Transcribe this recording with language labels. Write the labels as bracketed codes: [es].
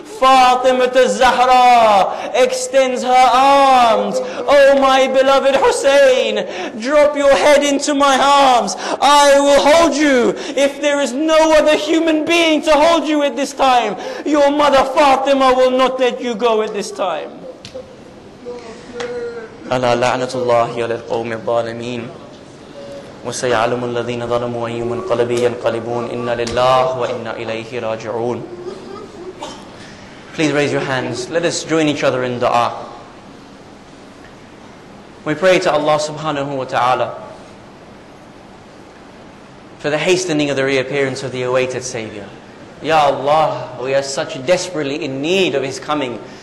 [en] Fatima al-Zahra extends her arms. "Oh my beloved Hussein, drop your head into my arms. I will hold you if there is no other human being to hold you at this time. Your mother Fatima will not let you go at this time." [ar] ألا لعنة الله على القوم الظالمين وسيعلم الذين ظلموا أي منقلب ينقلبون إنا لله وإنا إليه راجعون. [en] Please raise your hands. Let us join each other in dua. We pray to Allah subhanahu wa ta'ala for the hastening of the reappearance of the awaited Savior. Ya Allah, we are such desperately in need of His coming.